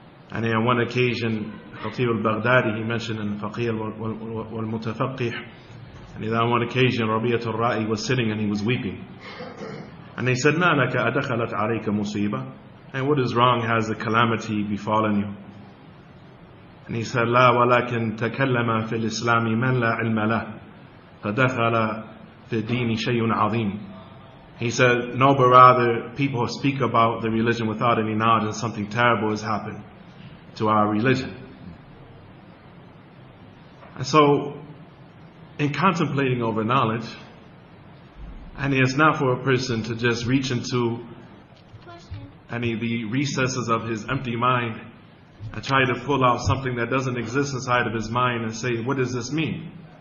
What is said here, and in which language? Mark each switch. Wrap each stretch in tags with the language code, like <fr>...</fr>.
<en>And on one occasion, Khatib al-Baghdadi, he mentioned in Faqih al-Mutafaqih, and on one occasion, Rabi'a al-Ra'i was sitting and he was weeping. And he said,</en> <ar>مَا لَكَ أَدَخَلَتْ عَلَيْكَ مُصِيبَةً,</ar> <en>and what is wrong, has the calamity befallen you? And he said,</en> <ar>لَا وَلَكِنْ تَكَلَّمَ فِي الْإِسْلَامِ مَنْ لَا عِلْمَ لَهُ فَدَخَلَ فِي الدِّينِ شَيْءٌ عَظِيمٌ.</ar> <en>He said, no, but rather people speak about the religion without any knowledge, and something terrible has happened to our religion. And so, in contemplating over knowledge, and it's not for a person to just reach into any of the recesses of his empty mind and try to pull out something that doesn't exist inside of his mind and say, what does this mean?</en>